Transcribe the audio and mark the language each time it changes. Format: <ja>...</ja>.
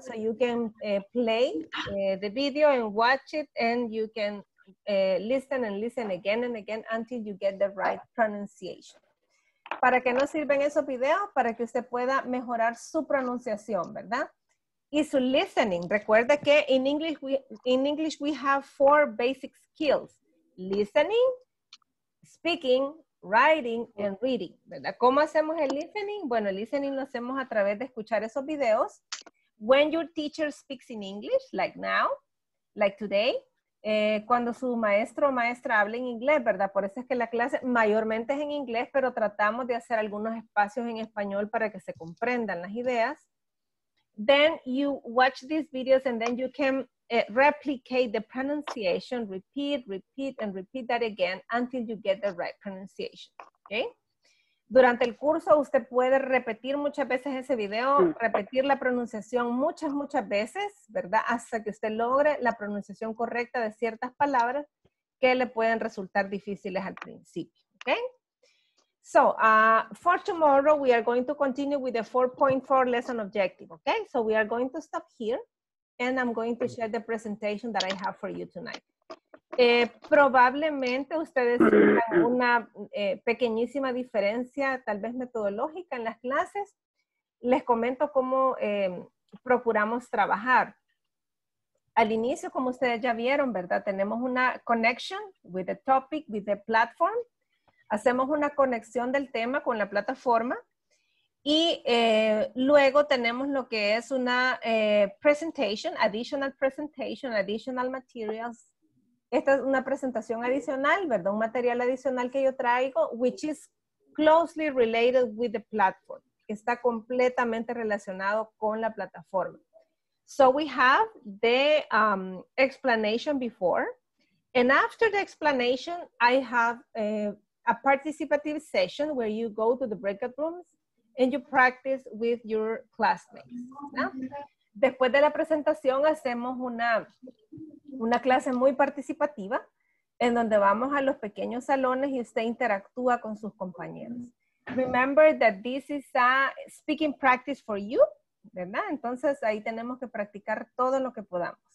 <en>So you can play the video and watch it, and you can listen and listen again and again until you get the right pronunciation.</en> <es>¿Para qué nos sirven esos videos? Para que usted pueda mejorar su pronunciación, ¿verdad? Y su listening. Recuerda que</es> <en>in English we have four basic skills: listening, speaking, writing and reading, ¿verdad?</en> <es>¿Cómo hacemos el listening? Bueno, el listening lo hacemos a través de escuchar esos videos.</es> <en>When your teacher speaks in English, like now, like today,</en> <es>cuando su maestro o maestra habla en inglés, ¿verdad? Por eso es que la clase mayormente es en inglés, pero tratamos de hacer algunos espacios en español para que se comprendan las ideas.</es> <en>Then you watch these videos and then you can replicate the pronunciation, repeat, repeat, and repeat that again until you get the right pronunciation, okay?</en> <es>Durante el curso, usted puede repetir muchas veces ese video, repetir la pronunciación muchas, muchas veces, ¿verdad? Hasta que usted logre la pronunciación correcta de ciertas palabras que le pueden resultar difíciles al principio, okay?</es> <en>So, for tomorrow, we are going to continue with the 4.4 lesson objective, okay? So, we are going to stop here. And I'm going to share the presentation that I have for you tonight.</en> <es>Probablemente ustedes tengan una pequeñísima diferencia, tal vez metodológica en las clases. Les comento cómo procuramos trabajar. Al inicio, como ustedes ya vieron, ¿verdad? Tenemos una</es> <en>connection with the topic, with the platform.</en> <es>Hacemos una conexión del tema con la plataforma. Y luego tenemos lo que es una</es> <en>presentation, additional materials.</en> <es>Esta es una presentación adicional, ¿verdad? Un material adicional que yo traigo,</es> <en>which is closely related with the platform.</en> <es>Está completamente relacionado con la plataforma.</es> <en>So we have the explanation before. And after the explanation, I have a participative session where you go to the breakout rooms and you practice with your classmates, ¿no?</en> <es>Después de la presentación hacemos una clase muy participativa en donde vamos a los pequeños salones y usted interactúa con sus compañeros.</es> <en>Remember that this is a speaking practice for you, ¿verdad?</en> <es>Entonces ahí tenemos que practicar todo lo que podamos.</es>